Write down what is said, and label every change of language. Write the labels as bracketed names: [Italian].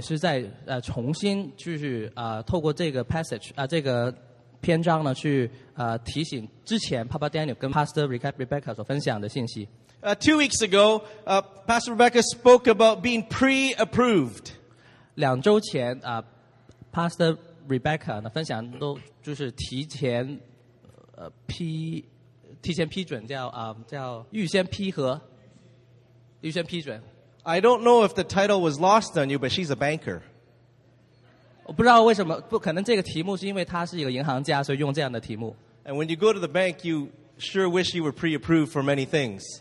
[Chinese] 当中有一部分我感觉神也是在重新就是透过这个 passage 这个篇章呢去提醒之前 Papa Daniel 跟 Pastor Rebecca 所分享的信息 [English] 2 weeks ago Pastor Rebecca spoke about being pre-approved [Chinese] 两周前 Pastor Rebecca 分享都就是提前批准叫预先批核预先批准 [English] I don't know if the title was lost on you, but she's a banker. [Chinese] 我不知道为什么，不可能这个题目是因为她是一个银行家，所以用这样的题目。 [English] And when you go to the bank, you sure wish you were pre-approved for many things.